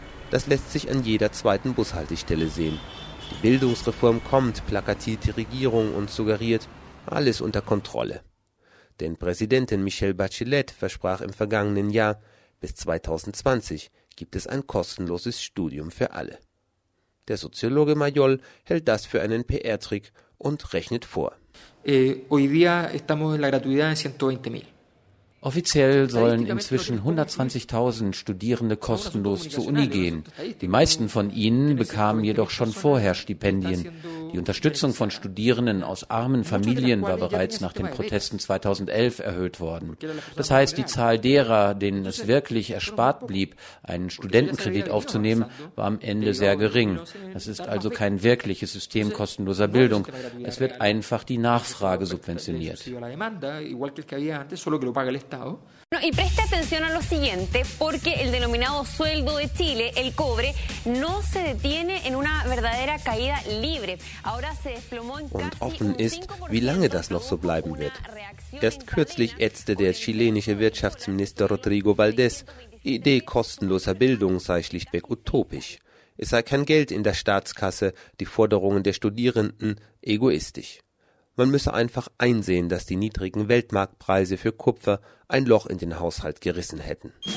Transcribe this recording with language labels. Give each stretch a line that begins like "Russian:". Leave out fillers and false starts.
German: Das lässt sich an jeder zweiten Bushaltestelle sehen. Die Bildungsreform kommt, plakatiert die Regierung und suggeriert, alles unter Kontrolle. Denn Präsidentin Michelle Bachelet versprach im vergangenen Jahr, bis 2020 gibt es ein kostenloses Studium für alle. Der Soziologe Mayol hält das für einen PR-Trick und rechnet vor.
Spanish: Hoy día estamos en la gratuidad de 120.000.
German: Offiziell sollen inzwischen 120.000 Studierende kostenlos zur Uni gehen. Die meisten von ihnen bekamen jedoch schon vorher Stipendien. Die Unterstützung von Studierenden aus armen Familien war bereits nach den Protesten 2011 erhöht worden. Das heißt, die Zahl derer, denen es wirklich erspart blieb, einen Studentenkredit aufzunehmen, war am Ende sehr gering. Das ist also kein wirkliches System kostenloser Bildung. Es wird einfach die Nachfrage subventioniert.
Spanish: Y preste atención a lo siguiente, porque el denominado sueldo de Chile, el cobre, no se detiene en una verdadera caída libre. Ahora se desplomó en casi un 5%.
German: Wie lange das noch so bleiben wird. Erst kürzlich ätzte der chilenische Wirtschaftsminister Rodrigo Valdés, die Idee kostenloser Bildung sei schlichtweg utopisch. es sei kein Geld in der Staatskasse, die Forderungen der Studierenden egoistisch. Man müsse einfach einsehen, dass die niedrigen Weltmarktpreise für Kupfer ein Loch in den Haushalt gerissen hätten.